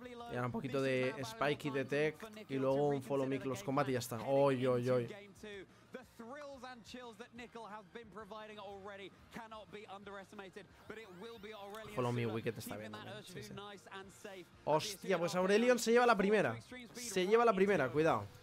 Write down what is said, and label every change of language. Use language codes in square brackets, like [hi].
[es] Y ahora un poquito de Spikey Detect y luego un Follow Me Close Combat y ya está. Oy, oy, oy. [en] The thrills and chills that Nickel has been providing already cannot be underestimated, but it will be Aurelion. [es] Follow me, Wicket está bien. Sí, sí. Nice. Hostia, pues Aurelion se lleva la primera. Se lleva la primera, cuidado.